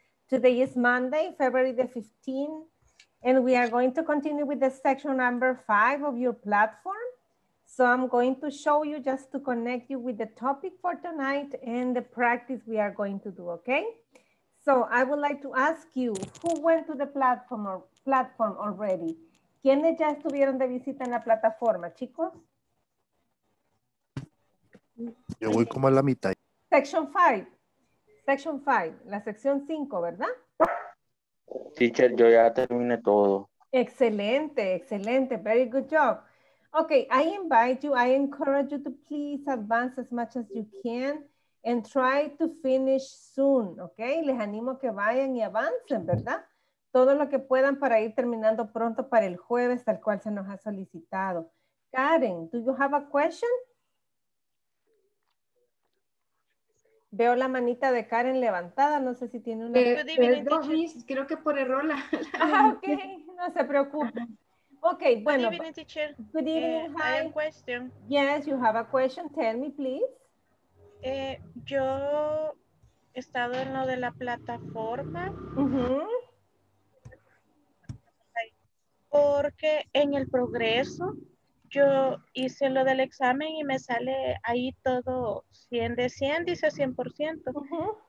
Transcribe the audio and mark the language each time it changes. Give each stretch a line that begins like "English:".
English: Today is Monday, February the 15th, and we are going to continue with the section number 5 of your platform. So I'm going to show you just to connect you with the topic for tonight and the practice we are going to do, okay? So I would like to ask you, who went to the platform or platform already?
Spanish: ¿Quiénes ya estuvieron de visita en la plataforma, chicos? Yo voy como a la mitad.
English: Section 5. Section 5.
Spanish: La sección 5, ¿verdad? Teacher, yo ya terminé todo. Excelente, excelente.
English: Very good job. Okay, I invite you, I encourage you to please advance as much as you can and try to finish soon, okay?
Spanish: Les animo que vayan y avancen, ¿verdad? Todo lo que puedan para ir terminando pronto para el jueves, tal cual se nos ha solicitado.
English: Karen, do you have a question?
Spanish: Veo la manita de Karen levantada, no sé si tiene una. Creo que por error la. Okay, no se preocupe. Okay, bueno.
English: Good evening, teacher. Good evening, hi. I have a question. Yes, you have a question, tell me, please.
Spanish: Yo he estado en lo de la plataforma. Porque en el progreso yo hice lo del examen y me sale ahí todo 100 de 100, dice 100%.